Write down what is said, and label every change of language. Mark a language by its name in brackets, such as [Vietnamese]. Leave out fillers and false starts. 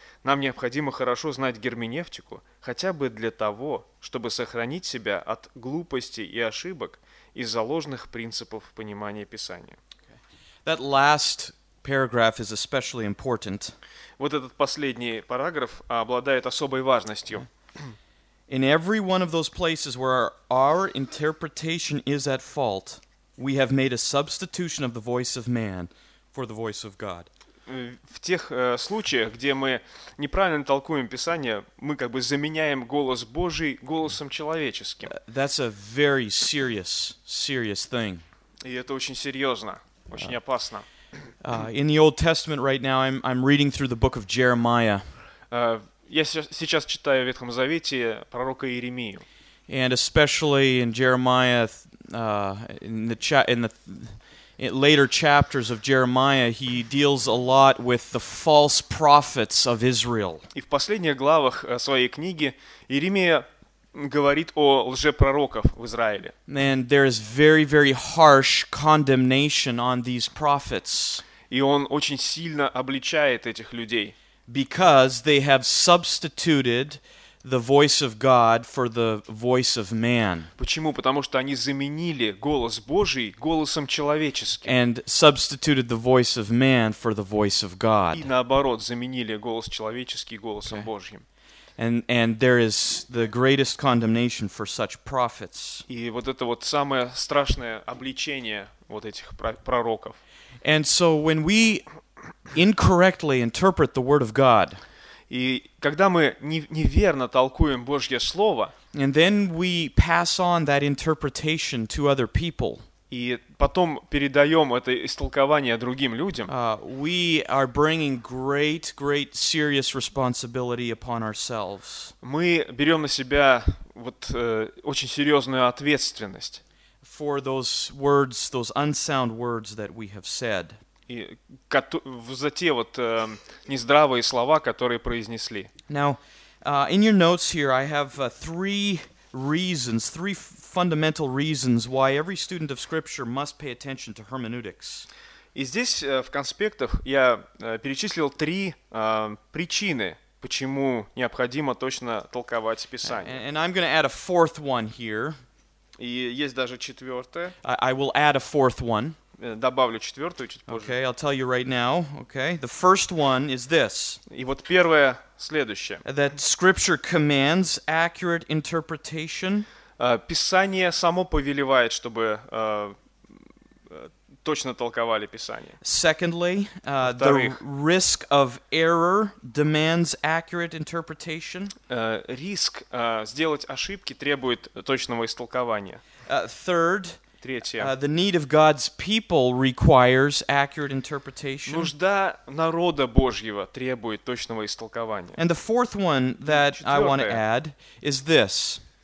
[Russian] Нам необходимо хорошо знать герменевтику, хотя бы для того, чтобы сохранить себя от глупостей и ошибок из-за ложных принципов понимания Писания. [English] That last paragraph is especially important. [Russian] Вот этот последний параграф обладает особой важностью. [English] In every one of those places where our interpretation is at fault, we have made a substitution of the voice of man for the voice of God. [Russian] В тех случаях, где мы неправильно толкуем Писание, мы как бы заменяем голос Божий голосом человеческим. [English] That's a very serious thing. [Russian] И это очень серьезно, очень опасно. [English] In the Old Testament right now, I'm reading through the book of Jeremiah. [Russian] Я сейчас читаю в Ветхом Завете пророка Иеремию. [English] And especially in Jeremiah, in the later chapters of Jeremiah, he deals a lot with the false prophets of Israel. [Russian] И в последних главах своей книги Иеремия говорит о лжепророках в Израиле. [English] And there is very, very harsh condemnation on these prophets. [Russian] И он очень сильно обличает этих людей. [English] Because they have substituted the voice of God for the voice of man. [Russian] Почему? Потому что они заменили голос Божий голосом человеческим. [English] And substituted the voice of man for the voice of God. [Russian] И наоборот, заменили голос человеческий голосом Божьим. [English] And there is the greatest condemnation for such prophets. [Russian] И вот это вот самое страшное обличение вот этих пророков. [English] And so when we incorrectly interpret the word of God, [Russian] и когда мы неверно толкуем Божье Слово, [English] and then we pass on that interpretation to other people, [Russian] и потом передаем это истолкование другим людям, [English] we are bringing great, great serious responsibility upon ourselves. [Russian] Мы берем на себя вот очень серьезную ответственность [English] for those words, those unsound words that we have said. [Russian] И за те вот нездравые слова, которые произнесли. [English] Now, in your notes here, I have three reasons, three fundamental reasons why every student of Scripture must pay attention to hermeneutics. [Russian] И здесь в конспектах я перечислил три причины, почему необходимо точно толковать Писание. [English] And I'm going to add a fourth one here. [Russian] И есть даже четвертое. [English] I will add a fourth one. [Russian] Добавлю четвертую чуть позже. [English] Okay, I'll tell you right now. Okay, the first one is this. [Russian] И вот первое следующее. [English] That Scripture commands accurate interpretation. [Russian] Писание само повелевает, чтобы точно толковали Писание. [English] Secondly, the risk of error demands accurate interpretation. [Russian] Риск сделать ошибки требует точного истолкования. [English] Third. The need of God's people requires accurate interpretation. [Russian] Нужда народа Божьего требует точного истолкования. [English] And the fourth one that I want to add is this.